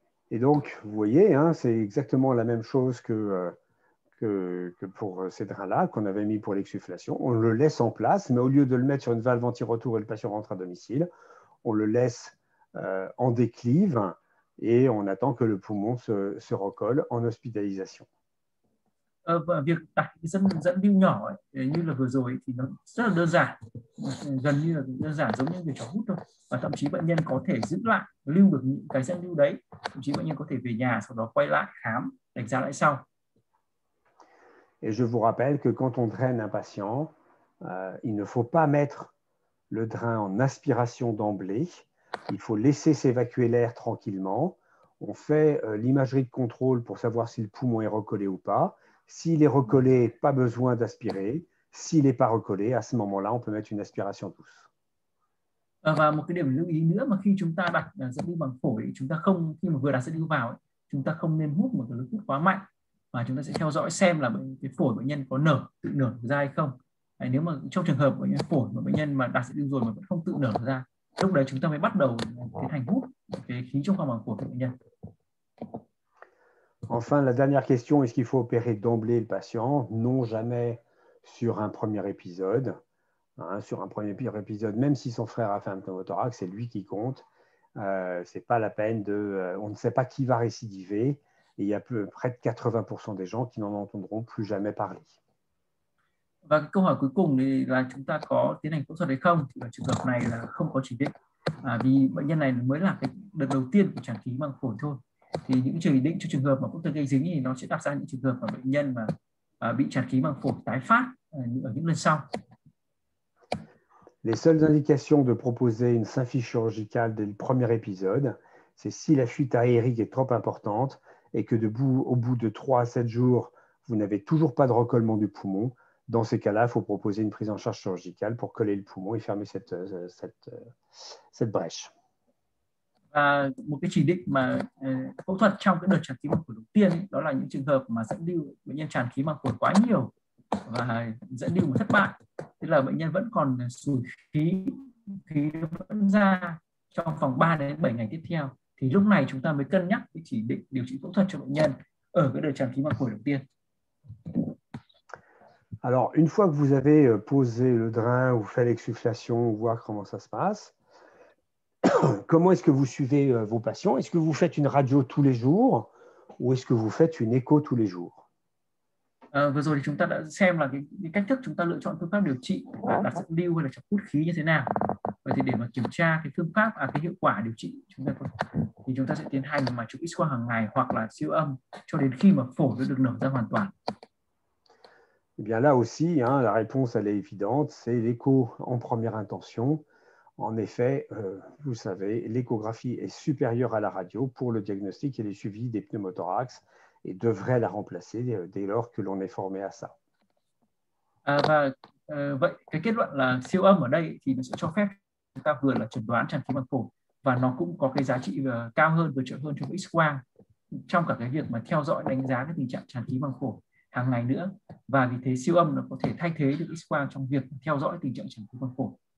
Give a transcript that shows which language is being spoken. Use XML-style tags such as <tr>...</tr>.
<fr>Et donc, vous voyez, hein, c'est exactement la même chose que pour ces drains-là qu'on avait mis pour l'exsufflation. On le laisse en place, mais au lieu de le mettre sur une valve anti-retour et le patient rentre à domicile, on le laisse en déclive et on attend que le poumon se recolle en hospitalisation.</fr> <vi>Và việc đặt cái dẫn lưu nhỏ ấy, như là vừa rồi ấy, thì nó rất là đơn giản, gần như là đơn giản giống như việc cho hút thôi, và thậm chí bệnh nhân có thể giữ lại lưu được những cái dẫn lưu đấy, thậm chí bệnh nhân có thể về nhà sau đó quay lại khám đánh giá lại sau.</vi> <fr>Et je vous rappelle que quand on draine un patient, il ne faut pas mettre le drain en aspiration d'emblée. Il faut laisser s'évacuer l'air tranquillement. On fait l'imagerie de contrôle pour savoir si le poumon est recollé ou pas. S'il est recollé, pas besoin d'aspirer. S'il n'est pas recollé, à ce moment-là, on peut mettre une aspiration douce.</fr> <vi>Và một cái điểm lưu ý nữa mà khi chúng ta đặt dẫn lưu bằng phổi, chúng ta không khi mà vừa đặt dẫn lưu vào, chúng ta không nên hút một cái lực hút quá mạnh mà chúng ta sẽ theo dõi xem là cái phổi bệnh nhân có nở tự nở ra hay không. Đấy, nếu mà trong trường hợp của cái phổi của bệnh nhân mà đặt dẫn lưu rồi mà vẫn không tự nở ra, lúc đấy chúng ta mới bắt đầu tiến hành hút cái khí trong khoang màng phổi của bệnh nhân.</vi> <fr>Enfin, la dernière question, est-ce qu'il faut opérer d'emblée le patient? Non, jamais sur un premier épisode. Hein, sur un premier épisode, même si son frère a fait un pneumothorax, c'est lui qui compte. C'est pas la peine on ne sait pas qui va récidiver. Et il y a près de 80% des gens qui n'en entendront plus jamais parler.</fr> <vi>Và cái câu hỏi cuối cùng thì là chúng ta có tiến hành phẫu thuật hay không? Thì ở trường hợp này là không có chỉ định, vì bệnh nhân này mới là cái đợt đầu tiên của tràng khí màng phổi thôi. Thì những chỉ định cho trường hợp mà phẫu thuật gây dính thì nó sẽ đặt ra những trường hợp mà bệnh nhân mà bị tràng khí màng phổi tái phát ở những lần sau.</vi> <fr>Les seules indications de proposer une symphyse chirurgicale dès le premier épisode, c'est si la fuite aérique est trop importante et que au bout de 3 à 7 jours, vous n'avez toujours pas de recollement du poumon. Dans ces cas-là, il faut proposer une prise en charge chirurgicale pour coller le poumon et fermer cette brèche.</fr> <vi>Và một cái chỉ định mà phẫu thuật trong cái đợt tràng khí màng phổi đầu tiên ấy, đó là những trường hợp mà dẫn lưu bệnh nhân tràn khí màng phổi quá nhiều và dẫn lưu mà thất bại, tức là bệnh nhân vẫn còn sủi khí vẫn ra trong vòng 3 đến 7 ngày tiếp theo, thì lúc này chúng ta mới cân nhắc cái chỉ định điều trị phẫu thuật cho bệnh nhân ở cái đợt tràng khí màng phổi đầu tiên.</vi> <fr>Alors, une fois que vous avez posé le drain ou fait l'exsufflation, voir comment ça se passe, comment est-ce que vous suivez vos patients? Est-ce que vous faites une radio tous les jours ou est-ce que vous faites une écho tous les jours?</fr> <vi>Vừa rồi thì chúng ta đã xem là cái cách thức chúng ta lựa chọn phương pháp điều trị là đặt dẫn lưu hay là chọc hút khí như thế nào. Vậy thì để mà kiểm tra cái phương pháp cái hiệu quả điều trị chúng ta có, thì chúng ta sẽ tiến hành mà chụp X-quang hàng ngày hoặc là siêu âm cho đến khi mà phổi nó được nở ra hoàn toàn.</vi> <fr>Eh bien là aussi, hein, la réponse elle est évidente, c'est l'écho en première intention. En effet, vous savez, l'échographie est supérieure à la radio pour le diagnostic et le suivi des pneumothorax et devrait la remplacer dès lors que l'on est formé à ça.</fr> <vi>Vậy cái kết luận là siêu âm ở đây thì nó sẽ cho phép chúng ta vừa là chẩn đoán tràn khí quang phổi và nó cũng có cái giá trị cao hơn vừa chuẩn hơn trong X quang trong cả cái việc mà theo dõi đánh giá cái tình trạng tràn khí quang phổi hàng ngày nữa, và vì thế siêu âm nó có thể thay thế được X quang trong việc theo dõi tình trạng tràn khí quang phổi.</vi>